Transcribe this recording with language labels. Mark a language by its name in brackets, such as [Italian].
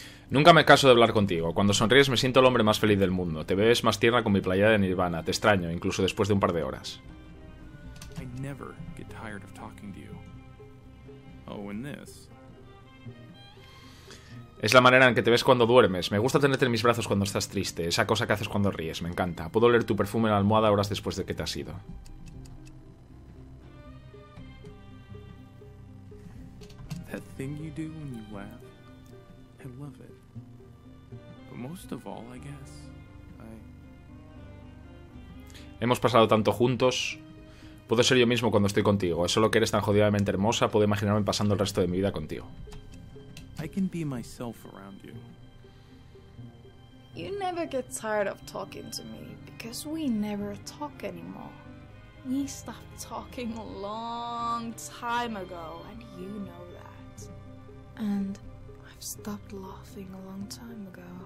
[Spanish] Nunca me canso de hablar contigo. Cuando sonríes me siento el hombre más feliz del mundo. Te ves más tierna con mi playera de Nirvana. Te extraño, incluso después de un par de horas. [English] I never get tired of talking to you. Oh, and this. [Spanish] Es la manera en que te ves cuando duermes. Me gusta tenerte en mis brazos cuando estás triste. Esa cosa que haces cuando ríes, me encanta. Puedo oler tu perfume en la almohada horas después de que te has ido. [English] That thing you do when you laugh, I love it. But most of all, I guess, I... [Spanish] Hemos pasado tanto juntos. Puedo ser yo mismo cuando estoy contigo. Solo que eres tan jodidamente hermosa, puedo imaginarme pasando el resto de mi vida contigo. [English] I can be myself around you. You never get tired of talking to me because we never talk anymore. We stopped talking a long time ago, and you know that. And I've stopped laughing a long time ago.